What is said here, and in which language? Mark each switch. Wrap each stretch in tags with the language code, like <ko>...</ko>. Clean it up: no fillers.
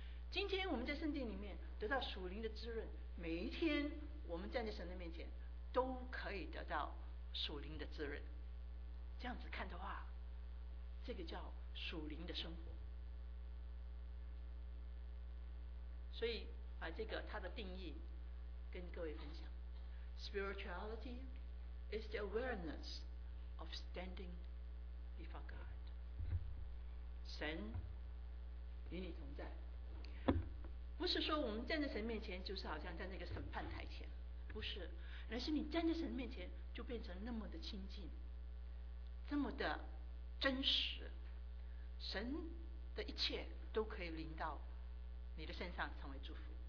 <zh>今天我们在圣殿里面得到属灵的滋润，每一天我们站在神的面前都可以得到属灵的滋润。这样子看的话，这个叫属灵的生活。所以把这个它的定义跟各位分享。</zh> <en>Spirituality is the awareness of standing before God.</en> <zh>神与你同在，不是说我们站在神面前就是好像在那个审判台前，不是，而是你站在神面前就变成那么的亲近，这么的真实，神的一切都可以临到你的身上成为祝福。</zh>